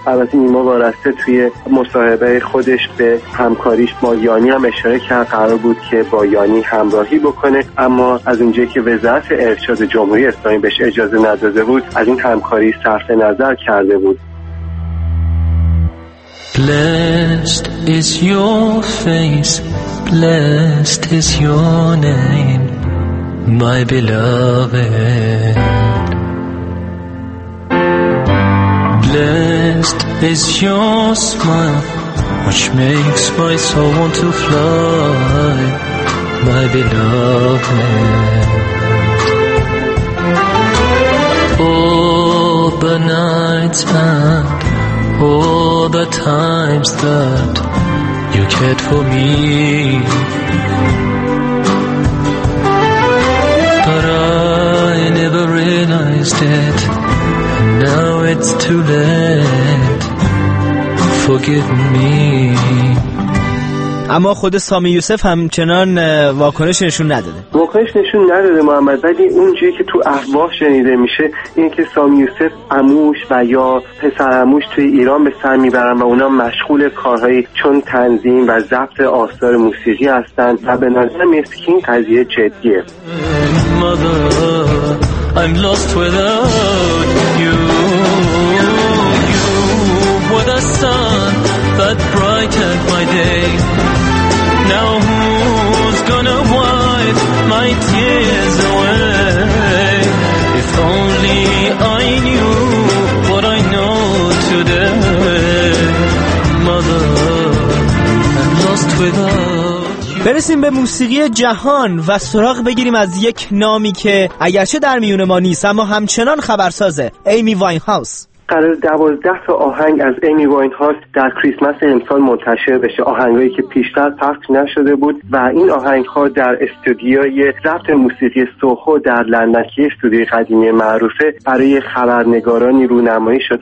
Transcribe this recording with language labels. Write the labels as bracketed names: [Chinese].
[Persian] البته نیما وارسته توی مصاحبه خودش به همکاریش با یانی هم اشاره کرد، قرار بود که با یانی همراهی بکنه اما از اونجایی که وزارت ارشاد جمهوری اسلامی بهش اجازه نداده بود از این همکاری صرف نظر کرده بود. [English] Blessed is your face, blessed is your name, my beloved. Blessed is your smile, which makes my soul to fly, my beloved. All the nights and all the times that you cared for me, but I never realized it, and now it's too late, forgive me. [Persian] اما خود سامی یوسف همچنان واکنش نشون نداده. واکنش نشون نداده محمد، ولی اونجوری که تو احواش شنیده میشه اینه که سامی یوسف عموش و یا پسر عموش توی ایران به سر میبرن و اونا مشغول کارهایی چون تنظیم و ضبط آثار موسیقی هستن و به نظر میرسه که این قضیه جدیه. [English] That brightened my day. Now who's gonna wipe my tears away? If only I knew what I know today. Mother, I'm lost without. [Persian] برسیم به موسیقی جهان و سراغ بگیریم از یک نامی که اگرچه در میون ما نیست اما همچنان خبرسازه، ایمی واینهاوس. قرار 12 تا آهنگ از ایمی واینهاوس در کریسمس امسال منتشر بشه، آهنگایی که پیشتر پخش نشده بود و این آهنگ ها در استودیوی ضبط موسیقی سوهو در لندن که استودیوی قدیمی معروفه برای خبرنگارانی رونمایی شد.